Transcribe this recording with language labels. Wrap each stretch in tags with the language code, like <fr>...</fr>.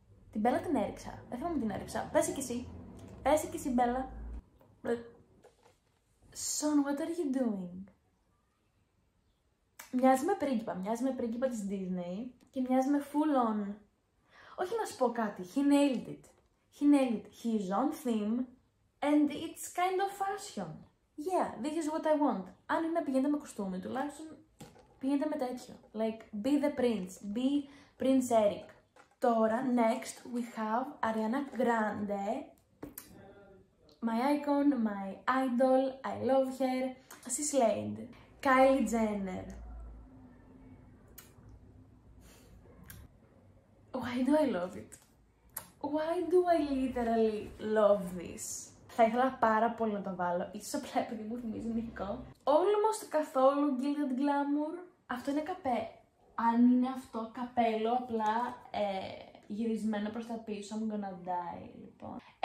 <el>Την Μπέλα την έριξα. Δεν θυμάμαι την έριξα. Πέσε κι εσύ. Πέσε κι εσύ, Μπέλα.</el> <en>Son, what are you doing?</en> <el>Μοιάζει με πρίγκιπα. Μοιάζει με πρίγκιπα της Disney. Και μοιάζει με</el> <en>full on.</en> <el>Όχι να σου πω κάτι,</el> <en>he nailed it. He nailed it. His own theme and it's kind of fashion. Yeah, this is what I want.</en> <el>Αν είναι να πηγαίνετε με κοστούμι, τουλάχιστον πηγαίνετε με τέτοιο.</el> <en>Like, be the prince. Be Prince Eric.</en> <el>Τώρα,</el> <en>next, we have Ariana Grande. My icon, my idol, I love her. She slayed. Kylie Jenner. Why do I love it? Why do I literally love this?</en> <el>Θα ήθελα πάρα πολύ να το βάλω, ίσως απλά επειδή μου θυμίζει Νίκο.</el> <en>Almost</en> <el>καθόλου</el> <en>Gilded Glamour.</en> <el>Αυτό είναι αν είναι αυτό καπέλο, απλά γυρισμένο προς τα πίσω,</el> <en>I'm gonna die,</en> <el>λοιπόν.</el>